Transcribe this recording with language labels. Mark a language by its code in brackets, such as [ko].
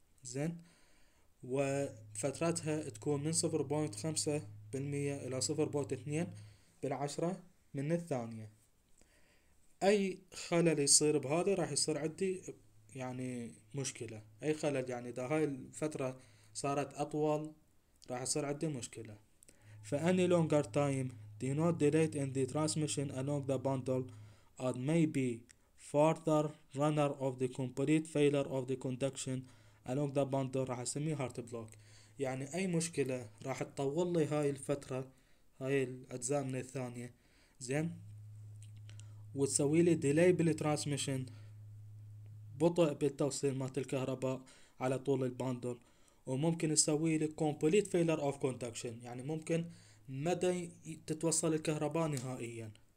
[ar] زين وفترتها تكون من 0.5% إلى 0.2 بالعشرة من الثانية. أي خلل يصير بهذا راح يصير عندي يعني مشكلة، أي خلل يعني إذا هاي الفترة صارت أطول راح يصير عندي مشكلة. فأني [en] longer time denote delay in the transmission along the bundle and maybe further runner of the complete failure of the conduction along the bundle [ar] راح أسميه [en] heart block. [ar] يعني أي مشكلة راح تطول لي هاي الفترة هاي الأجزاء من الثانية زين وتسوي لي delay بالترانسميشن، بطء بالتوصيل مالت الكهرباء على طول الباندل، وممكن تسوي لي [en] complete failure of conduction [ar] يعني ممكن مدى تتوصل الكهرباء نهائيا.